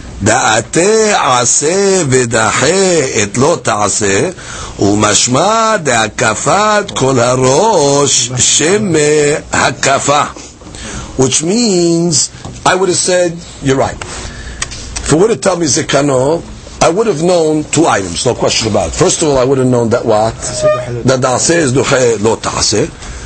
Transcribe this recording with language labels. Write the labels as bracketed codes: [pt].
[he] דעתי עשה ודחה את לא תעשה ומשמע דהקפת כל הראש שמה הקפה. [en] Which means, I would have said, you're right. If it would have told me Zekano, I would have known two items, no question about it. First of all, I would have known that what? That דעשה is דוחה לא תעשה.